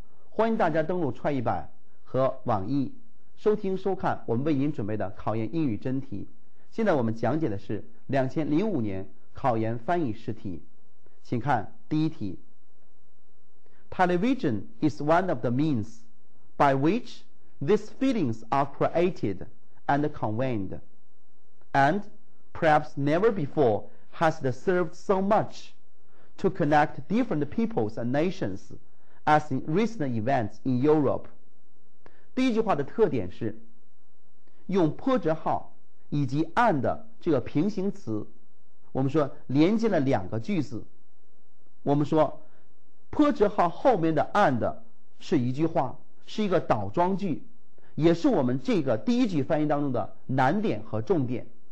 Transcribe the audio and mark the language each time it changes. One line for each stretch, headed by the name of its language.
Chinese: 欢迎大家登录创意版和网易收听收看我们为您准备的考研英语真题。现在我们讲解的是2005年考研翻译试题，请看第一题。
English: Television is one of the means by which these feelings are created and conveyed, and perhaps never before has it served so much to connect different peoples and nationsas in recent events in Europe.
Chinese: 第一句话的特点是用波折号以及 and 这个平行词，我们说连接了两个句子。我们说波折号后面的 and 是一句话，是一个倒装句，也是我们这个第一句翻译当中的难点和重点。